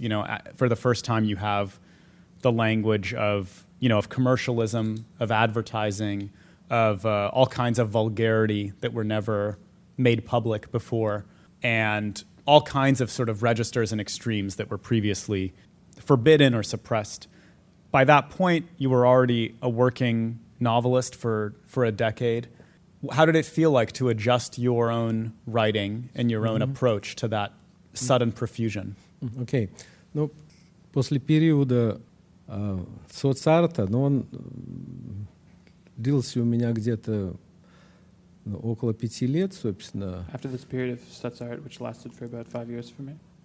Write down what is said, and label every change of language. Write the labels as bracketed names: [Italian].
[English] You know, for the first time you have the language of, you know, of commercialism, of advertising, of all kinds of vulgarity that were never made public before, and all kinds of sort of registers and extremes that were previously forbidden or suppressed. By that point, you were already a working novelist for a decade. How did it feel like to adjust your own writing and your own approach to that sudden profusion? Okay. [Russian] Ну, после периода соцарта, ну, он длился у меня где-то около пяти лет, собственно. [English] After this period of соцарт, which lasted for about 5 years for me?